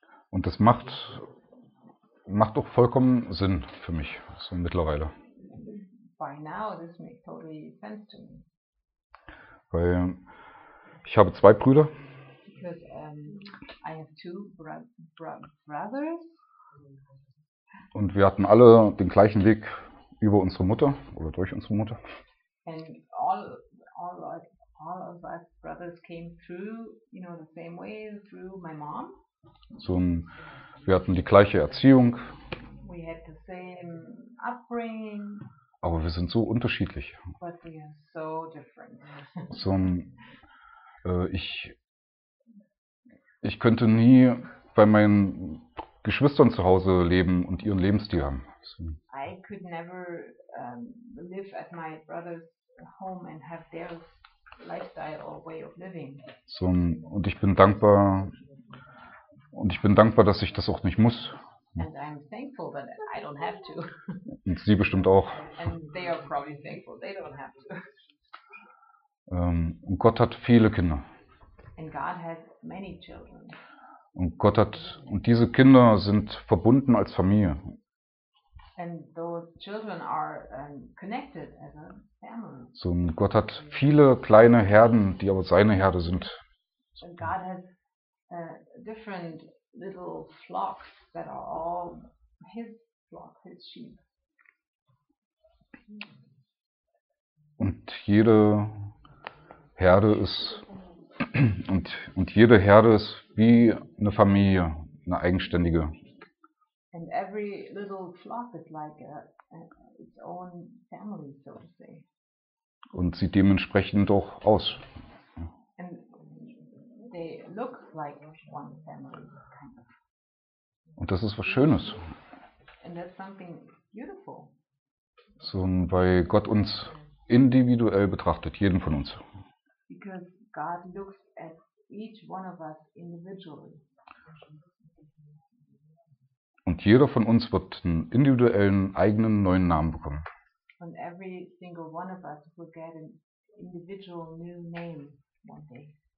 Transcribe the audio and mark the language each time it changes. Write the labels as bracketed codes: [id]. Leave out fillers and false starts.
[de] Und das macht doch vollkommen Sinn für mich, so mittlerweile. [en] By now, this makes totally sense to me. [de] Weil ich habe zwei Brüder. [en] Because I have two brothers. [de] Und wir hatten alle den gleichen Weg über unsere Mutter oder durch unsere Mutter. [en] And all of us brothers came through, you know, the same way through my mom. [de] So, wir hatten die gleiche Erziehung. [en] We had the same upbringing. [de] Aber wir sind so unterschiedlich. [en] But we are so different. [de] So, ich könnte nie bei meinen Geschwistern zu Hause leben und ihren Lebensstil haben. So. [en] I could never live at my brother's home and have their lifestyle or way of living. [de] So, und ich bin dankbar, dass ich das auch nicht muss. [en] And I'm thankful that I don't have to. [de] Und sie bestimmt auch. [en] And they are probably thankful they don't have to. [de] Und Gott hat viele Kinder. [en] And God has many children. [de] Und Gott hat, und diese Kinder sind verbunden als Familie. [en] And those children are connected as a family. [de] So, und Gott hat viele kleine Herden, die aber seine Herde sind. [en] And God has different little flocks that are all his flock, his sheep. [de] Und jede Herde ist und jede Herde ist wie eine Familie, eine eigenständige. [en] And every little flock is like its own family, so to say. [de] Und sieht dementsprechend auch aus. [en] And they look like one family, kind of. [de] Und das ist was Schönes. [en] And that's something beautiful. [de] So, weil Gott uns individuell betrachtet, jeden von uns. [en] Because God looks at each one of us individually. [de] Und jeder von uns wird einen individuellen, eigenen, neuen Namen bekommen. [en] And every single one of us will get an individual new name one day.